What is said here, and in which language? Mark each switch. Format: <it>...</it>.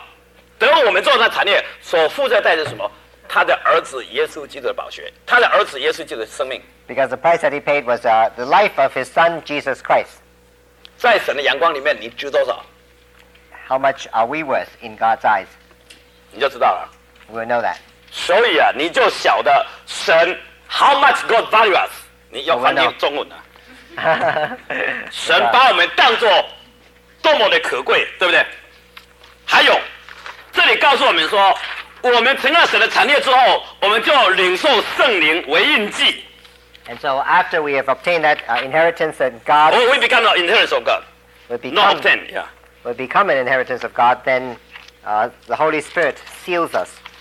<zh>神付出所为我们,神为要得我们做那产业,所付出的代价是什么?他的儿子耶稣基督的宝血,他的儿子耶稣基督的生命。</zh> <en>Because the price that he paid was the life of his son, Jesus Christ.</en> <zh>在神的阳光里面,你值多少?</zh> <en>How much are we worth in God's eyes?</en> <zh>你就知道了。</zh> <en>We'll know that.</en> <zh>所以啊,你就晓得神,</zh> <en>how much God values us.</en> <zh>你要翻译中文了。神把我们当作多么的可贵,对不对? 还有,这里告诉我们说, 我们成了神的产业之后,我们就领受圣灵为印记。</zh> <en>And so after we have obtained that inheritance and God... Oh, we become an inheritance of God. We become an inheritance of God, then the Holy Spirit seals us.</en>